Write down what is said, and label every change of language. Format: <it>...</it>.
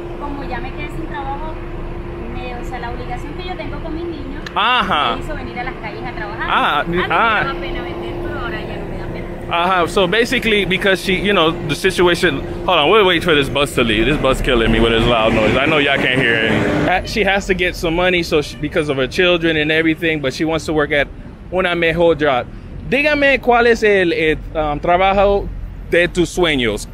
<es>Como ya me quedé sin trabajo, o sea, la obligación que yo tengo con mis niños uh-huh. me hizo venir a las calles a trabajar. Ah, a mí me daba pena vender, pero ahora ya no me da pena.</es> <en>Uh-huh, so basically because she, you know, the situation... Hold on, we'll wait for this bus to leave. This bus killing me with its loud noise. I know y'all can't hear it. She has to get some money so she, because of her children and everything, but she wants to work at</en> <es>una mejor</es> <en>job.</en> <es>Dígame cuál es el trabajo de tus sueños.</es>